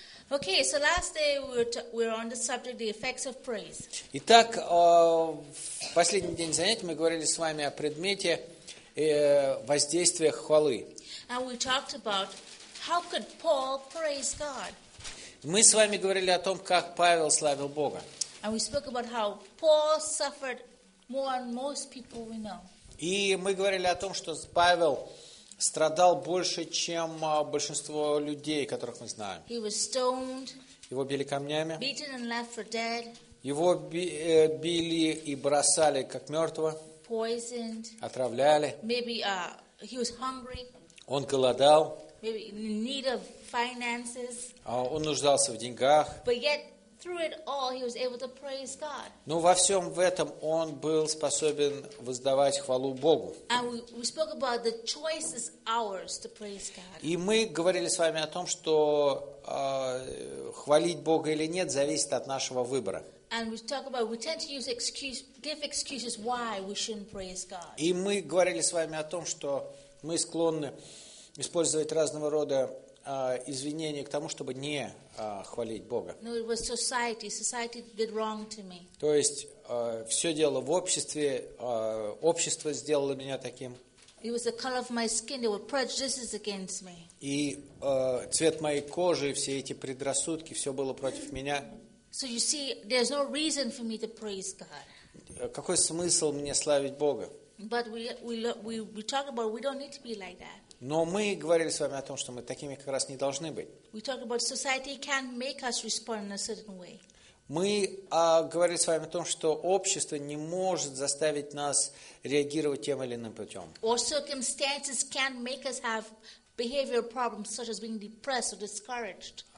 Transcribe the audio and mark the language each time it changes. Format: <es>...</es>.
<en>Okay, so last day we were on the subject, the effects of praise.</en> <ru>Итак, в последний день занятий мы говорили с вами о предмете воздействия хвалы.</ru> <en>And we talked about how could Paul praise God.</en> <ru>Мы с вами говорили о том, как Павел славил Бога.</ru> <en>And we spoke about how Paul suffered more than most people we know.</en> <ru>И мы говорили о том, что Павел страдал больше, чем большинство людей, которых мы знаем.</ru> <en>He was stoned,</en> <ru>его били камнями.</ru> <en>Beaten and left for dead,</en> <ru>его били и бросали, как мертвого.</ru> <en>Poisoned,</en> <ru>отравляли.</ru> <en>Maybe, he was hungry,</en> <ru>он голодал.</ru> <en>Maybe in need of finances,</en> <ru>он нуждался в деньгах.</ru> <en>But yet, through it all, he was able to praise God.</en> <ru>Но во всем этом он был способен воздавать хвалу Богу.</ru> <en>And we spoke about the choice is ours to praise God.</en> <ru>И мы говорили с вами о том, что хвалить Бога или нет зависит от нашего выбора.</ru> <en>And we talk about we tend to use excuse, give excuses why we shouldn't praise God.</en> <ru>И мы говорили с вами о том, что мы склонны использовать разного рода извинения к тому, чтобы не хвалить Бога.</ru> <en>No, it was society. Society did wrong to me.</en> <ru>То есть все дело в обществе. Общество сделало меня таким.</ru> <en>It was the color of my skin. There were prejudices against me.</en> <ru>И цвет моей кожи, все эти предрассудки, все было против меня.</ru> <en>So you see, there's no reason for me to praise God.</en> <ru>Какой смысл мне славить Бога?</ru> <en>But we talk about we don't need to be like that.</en> <ru>Но мы говорили с вами о том, что мы такими как раз не должны быть.</ru> <en>We talk about society can make us respond in a certain way.</en> <ru>Мы говорили с вами о том, что общество не может заставить нас реагировать тем или иным путем.</ru> <en>Or circumstances can make us have behavioral problems such as being depressed or discouraged.</en>